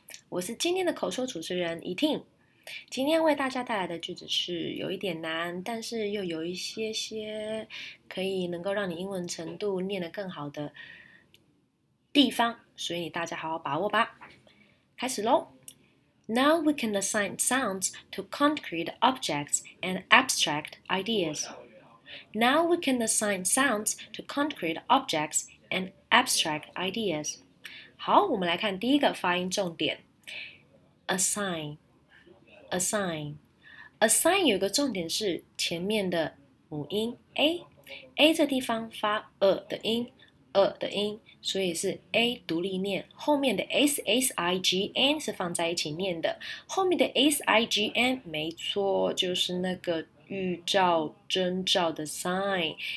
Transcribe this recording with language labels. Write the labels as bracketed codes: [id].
[zh] 我是今天的口说主持人 Eating，今天为大家带来的句子是有一点难，但是又有一些些可以能够让你英文程度念得更好的地方，所以大家好好把握吧。开始喽。 [en] Now we can assign sounds to concrete objects and abstract ideas. Now we can assign sounds to concrete objects and abstract ideas. [zh] 好，我们来看第一个发音重点。Assign, assign, assign 有个重点是前面的母音 a, a 这地方发的音。的音，所以是 a 独立念，后面的 s s i g n 是放在一起念的，后面的 s i g n 没错，就是那个预兆、征兆的 sign。